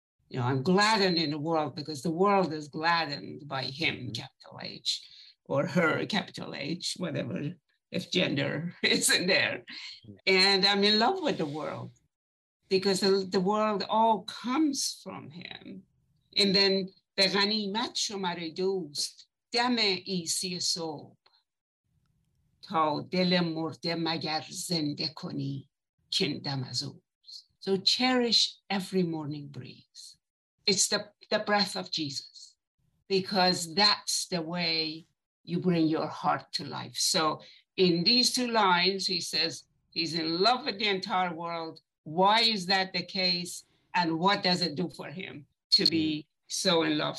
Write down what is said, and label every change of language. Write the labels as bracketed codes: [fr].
[en] You know, I'm gladdened in the world because the world is gladdened by him, capital H, or her, capital H, whatever if gender isn't there. And I'm in love with the world because the world all comes from him. And then [fa] به غنیمت شمار دوست دم عیسی صبح تا دل مرده مگر زنده کنی چین دم از اوست. [en] So cherish every morning breeze. It's the breath of Jesus, because that's the way you bring your heart to life. So in these two lines, he says he's in love with the entire world. Why is that the case? And what does it do for him to be so in love?